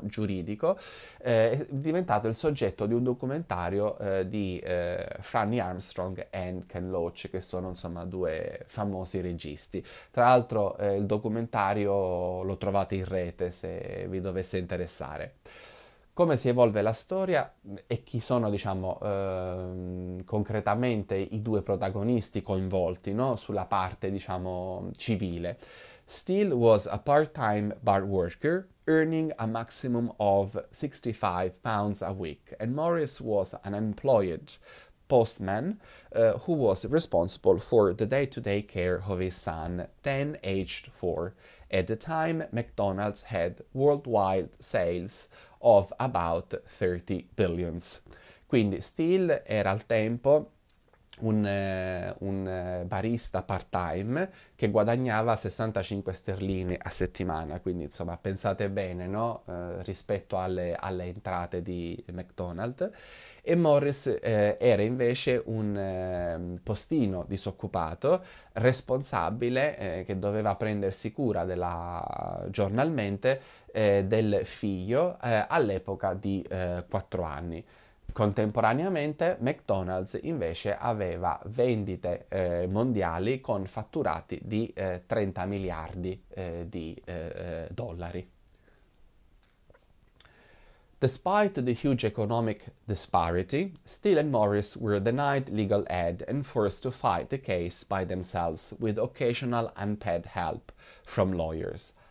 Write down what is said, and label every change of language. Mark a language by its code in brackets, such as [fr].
[it] Giuridico, è diventato il soggetto di un documentario di Franny Armstrong e Ken Loach, che sono insomma due famosi registi. Tra l'altro il documentario lo trovate in rete se vi dovesse interessare. Come si evolve la storia e chi sono, diciamo, concretamente i due protagonisti coinvolti, no? Sulla parte, diciamo, civile. [en] Steele was a part-time bar worker, earning a maximum of £65 a week, and Morris was an unemployed postman, who was responsible for the day-to-day care of his son, then aged 4. At the time, McDonald's had worldwide sales of about 30 billions. [it] Quindi Steele era al tempo un barista part-time che guadagnava 65 sterline a settimana. Quindi insomma, pensate bene, no? Rispetto alle entrate di McDonald's. E Morris era invece un postino disoccupato, responsabile, che doveva prendersi cura giornalmente. Del figlio all'epoca di 4 anni. Contemporaneamente, McDonald's invece aveva vendite mondiali con fatturati di 30 miliardi di dollari. [en] Despite the huge economic disparity, Steele and Morris were denied legal aid and forced to fight the case by themselves with occasional unpaid help from lawyers.